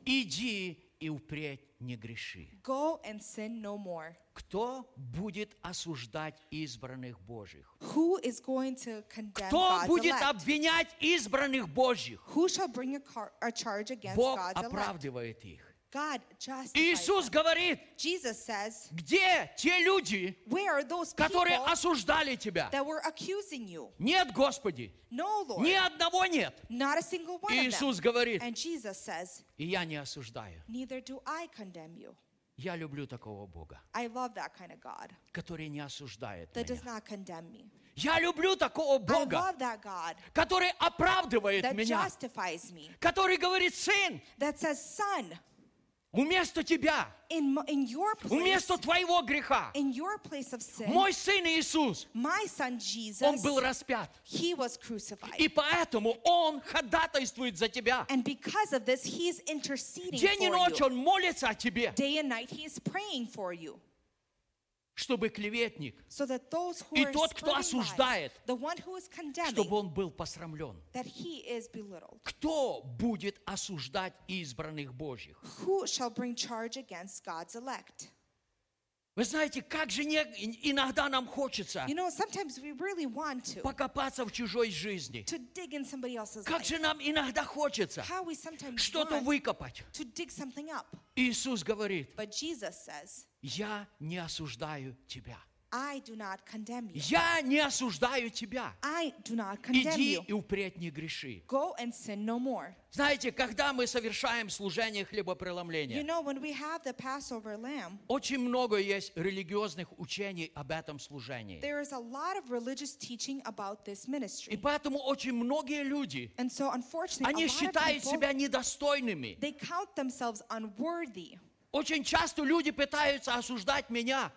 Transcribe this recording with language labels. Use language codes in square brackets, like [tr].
[ru] Иди и впредь не греши. [en] Go and sin no more. [ru] Кто будет осуждать избранных Божьих? [en] Who is going to condemn [ru] Кто [en] God's [ru] будет [en] elect? [ru] Обвинять избранных Божьих? [en] Who shall bring a charge against [ru] Бог [en] God's [ru] оправдывает Их. [en] God justifies [ru] Иисус [en] them. [ru] Говорит, [en] Jesus says, [ru] где те люди, которые осуждали тебя? [en] That were accusing you? [ru] Нет, Господи. [en] No, Lord. [ru] Ни одного нет. [en] Not a single one [ru] Иисус [en] of them. [ru] Говорит, [en] and Jesus says, [ru] и я не осуждаю. [en] Neither do I condemn you. [ru] Я люблю такого Бога, [en] I love that kind of God, [ru] который не осуждает [en] that [ru] меня. [en] Does not condemn me. [ru] Я люблю такого Бога, [en] I love that God, [ru] который оправдывает [en] that [ru] меня, [en] justifies me, [ru] который говорит, сын, [en] that says, Son, [ru] вместо тебя, [en] in your place, [ru] вместо твоего греха, [en] in your place of sin, [ru] мой Сын Иисус, [en] my son Jesus, [ru] Он был распят. [en] He was crucified. [ru] И поэтому Он ходатайствует за тебя. [en] And because of this, he is interceding [ru] День [en] for [ru] и ночь [en] you. [ru] Он молится о тебе. [en] Day and night, he is praying for you. [ru] Чтобы клеветник [en] so that those who [ru] и тот, кто осуждает, [en] lies, the one who is condemning, [ru] чтобы он был посрамлен. [en] That he is belittled. [ru] Кто будет осуждать избранных Божьих? [en] Who shall bring charge against God's elect? [ru] Вы знаете, как же не, иногда нам хочется [en] you know, sometimes we really want to, [ru] покопаться в чужой жизни. [en] To dig in somebody else's life. [ru] Как же нам иногда хочется [en] how we sometimes [ru] что-то [en] want [ru] выкопать. [en] To dig something up. [ru] Иисус говорит, [en] but Jesus says, [ru] Я не осуждаю тебя. [en] I do not condemn you. [ru] Я не осуждаю тебя. [en] I do not condemn [ru] Иди [en] you. [ru] И впредь не греши. [en] Go and sin no more. [ru] Знаете, когда мы совершаем служение хлебопреломления, [en] you know, when we have the Passover lamb, [ru] очень много есть религиозных учений об этом служении. [en] There is a lot of religious teaching about this ministry. [ru] И поэтому очень многие люди, [en] and so unfortunately, [ru] они считают себя недостойными. [en] They count themselves unworthy. [ru] Очень часто люди пытаются осуждать меня.